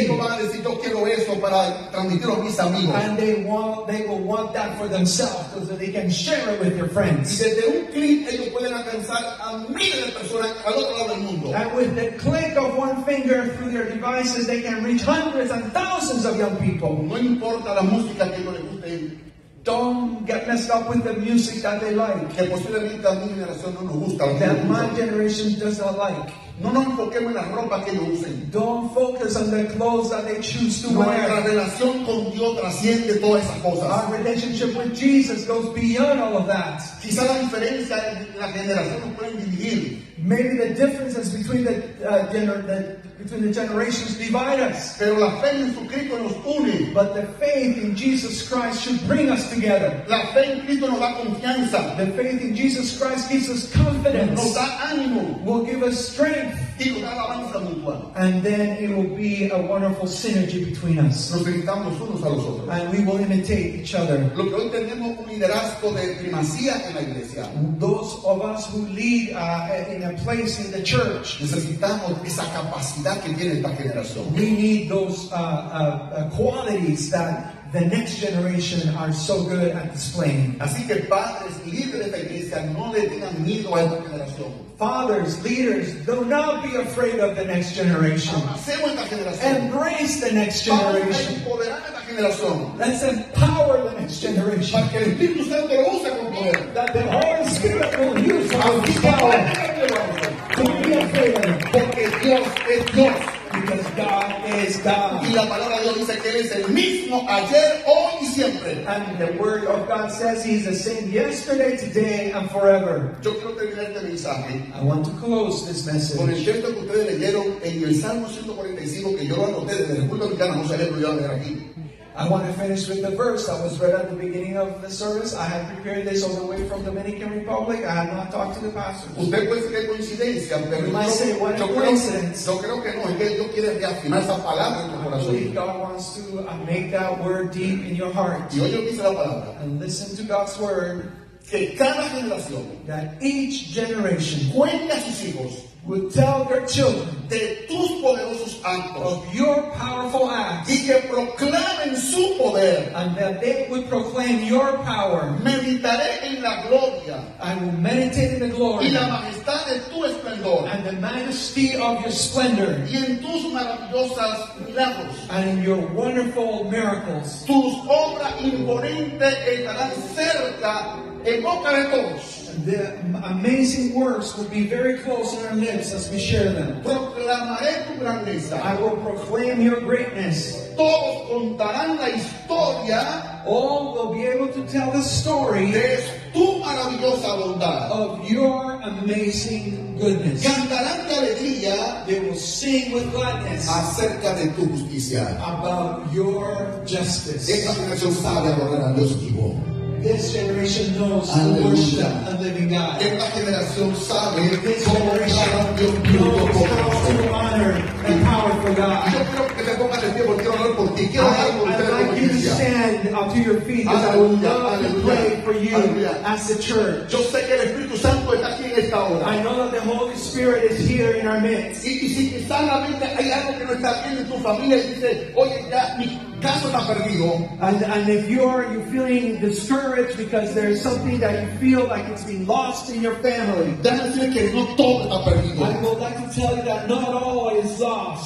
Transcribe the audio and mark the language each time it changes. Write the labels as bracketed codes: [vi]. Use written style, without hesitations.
[es] Ellos van a decir, yo quiero eso para transmitirlo a mis amigos. [en] And they will want that for themselves so that they can share it with their friends. [es] Y desde un clic ellos pueden alcanzar a miles de personas al otro lado del mundo. [en] And with the click of one finger through their devices, they can reach hundreds and thousands of young people. [es] No importa la música que no le guste. [en] Don't get messed up with the music that they like. [es] Que posiblemente a mi generación no nos gusta. [en] That my generation does not like. [es] No nos enfoquemos en la ropa que ellos usen. [en] Don't focus on the clothes that they choose to wear. [es] Nuestra relación con Dios trasciende todas esas cosas. [en] Our relationship with Jesus goes beyond all of that. [es] Quizá la diferencia en la generación nos pueden dividir. [en] Maybe the differences between the generations divide us. [es] Pero la fe en Jesucristo nos une. [en] But the faith in Jesus Christ should bring us together. [es] La fe en Cristo nos da confianza. [en] The faith in Jesus Christ gives us confidence. [es] Nos da ánimo. [en] Will give us strength. [es] Y nos da alabanza mutua. [en] And then it will be a wonderful synergy between us. [es] Nos imitamos unos a los otros. [en] And we will imitate each other. [es] Lo que hoy tenemos un liderazgo de primacía en la iglesia. [en] Those of us who lead in a place in the church. [es] Necesitamos esa capacidad que tiene esta generación. [en] We need those qualities that the next generation are so good at displaying. [es] Así que padres, líderes de la iglesia, no le tengan miedo a esta generación. [en] Fathers, leaders, do not be afraid of the next generation. Embrace the next generation. Let's empower the next generation. [es] Para que el Espíritu Santo lo use con poder. [en] That the Holy Spirit will use with power. Don't be afraid of [es] it. Porque Dios es Dios. [en] Because God is God. [es] Y la palabra de Dios dice que él es el mismo ayer, hoy y siempre. [en] And the word of God says he is the same yesterday, today and forever. [es] Yo quiero terminar este mensaje. [en] I want to close this message. [es] Con el texto que ustedes leyeron en el Salmo 145 que yo lo anoté desde el punto de vista, no sé si lo voy a leer aquí. [en] I want to finish with the verse that was read at the beginning of the service. I have prepared this all the way from the Dominican Republic. I have not talked to the pastors. [es] Usted puede que coincidencia, pero [en] you might say, what a coincidence. [es] Yo creo que no, es que Dios quiere reafirmar esa palabra en tu corazón. [en] I believe God wants to make that word deep in your heart. [es] Y oye lo que dice la palabra. [en] And listen to God's word. [es] Que cada generación, [en] that each generation, [es] cuente a sus hijos, [en] would tell their children [es] de tus poderosos actos, [en] of your powerful acts, [es] y que proclamen su poder, [en] and that they would proclaim your power. [es] Meditaré en la gloria, [en] I will meditate in the glory, [es] y la majestad de tu esplendor, [en] and the majesty of your splendor, [es] y en tus maravillosas milagros, [en] and in your wonderful miracles. [es] Tus obras imponentes estarán cerca en boca de todos. [en] The amazing words would be very close in our lips as we share them. [es] Proclamaré tu grandeza. [en] I will proclaim your greatness. [es] Todos contarán la historia. [en] All will be able to tell the story [es] de tu maravillosa bondad. [en] Of your amazing goodness. [es] Cantarán de alegría. [en] They will sing with gladness. [es] Acerca de tu justicia. [en] About your justice. [es] Esta generación sabe adorar a Dios vivo. [en] This generation knows to worship a living God. [es] Esta generación sabe [en] this generation knows how to honor a powerful God. [es] Yo creo que te pongas de pie porque quiero orar por ti. Quiero orar por ustedes. [en] I'd like you to stand up to your feet because I would love to pray for you. Hallelujah. As the church. [es] Yo sé que el Espíritu Santo está aquí en esta hora. [en] I know that the Holy Spirit is here in our midst. [es] Y si quizás la mente hay algo que no está bien en tu familia y dice, oye, ya mi caso está perdido. [en] And if you're feeling discouraged because there is something that you feel like it's been lost in your family, [es] que no todo está perdido. [en] I would like to tell you that not all is lost.